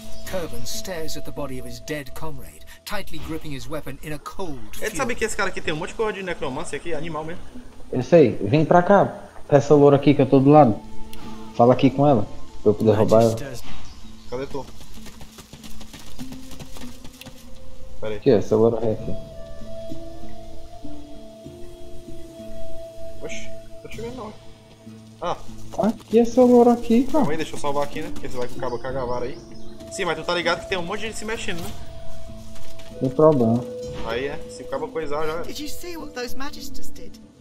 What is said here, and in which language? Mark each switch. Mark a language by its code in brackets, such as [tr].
[en] Kerbin stares at the body of his dead comrade, tightly gripping his weapon in a cold fury. [pt] Ele sabe que esse cara aqui tem um monte de coisa de necromancia aqui, animal mesmo. Eu sei, vem pra cá, peça loura aqui que eu tô do lado. Fala aqui com ela, pra eu poder roubar ela. Cadê tu? Pera aí. Aqui, essa loura é aqui. Oxi, tô te vendo não. Ah. Aqui, essa loura aqui, cara. Calma aí, deixa eu salvar aqui, né? Porque você vai com o cabo cagavara aí. Sim, mas tu tá ligado que tem um monte de gente se mexendo, né? Sem problema. Aí é, se o cabo coisar já. [en] Did you see what those magisters did?